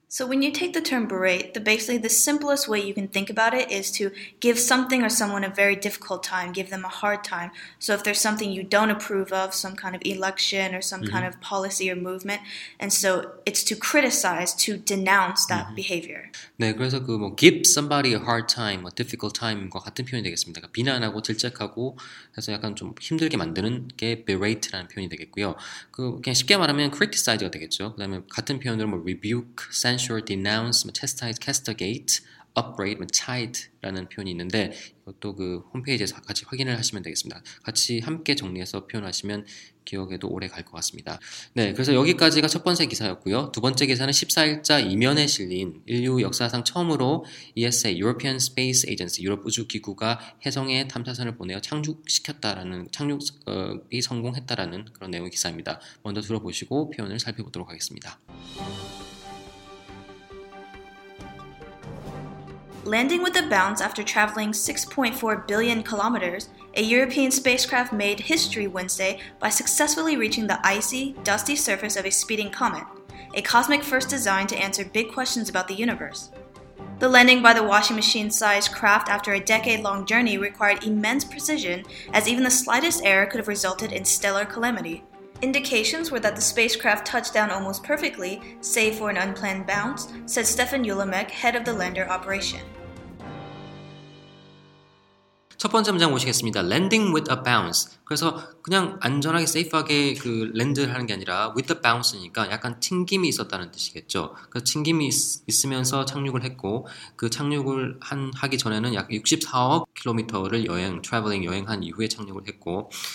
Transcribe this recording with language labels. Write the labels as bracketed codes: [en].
[en] So when you take the term berate, the basically the simplest way you can think about it is to give something or someone a very difficult time, give them a hard time. So if there's something you don't approve of, some kind of election or some kind of policy or movement, and so it's to criticize, to denounce that behavior. [ko] 네, 그래서 그 뭐 [en] give somebody a hard time, a difficult time [ko] 과 같은 표현이 되겠습니다. 그러니까 비난하고 질책하고 해서 약간 좀 힘들게 만드는 게 berate라는 표현이 되겠고요. 그 그냥 쉽게 말하면 criticize가 되겠죠. 그다음에 같은 표현으로 뭐 rebuke, censure, denounce, chastise, castigate, upbraid, chide라는 표현이 있는데 이것도 그 홈페이지에서 같이 확인을 하시면 되겠습니다. 같이 함께 정리해서 표현하시면 기억에도 오래 갈 것 같습니다. 네, 그래서 여기까지가 첫 번째 기사였고요. 두 번째 기사는 14일자 이면에 실린 인류 역사상 처음으로 ESA, European Space Agency, 유럽 우주기구가 해성에 탐사선을 보내어 착륙시켰다라는, 착륙이 성공했다라는 그런 내용의 기사입니다. 먼저 들어보시고 표현을 살펴보도록 하겠습니다. [en] Landing with a bounce after traveling 6.4 billion kilometers, a European spacecraft made history Wednesday by successfully reaching the icy, dusty surface of a speeding comet, a cosmic first designed to answer big questions about the universe. The landing by the washing machine-sized craft after a decade-long journey required immense precision, as even the slightest error could have resulted in stellar calamity. Indications were that the spacecraft touched down almost perfectly, save for an unplanned bounce, said Stefan Ulemek, head of the lander operation. [ko] 첫 번째 문장 보시겠습니다. [en] Landing with a bounce. [ko] 그래서 그냥 안전하게 세이프하게 그 랜드를 하는 게 아니라 with a bounce니까 약간 튕김이 있었다는 뜻이겠죠. 그 튕김이 있으면서 착륙을 했고 그 착륙을 하기 전에는 약 64억 킬로미터를 여행, 트래블링 여행한 이후에 착륙을 했고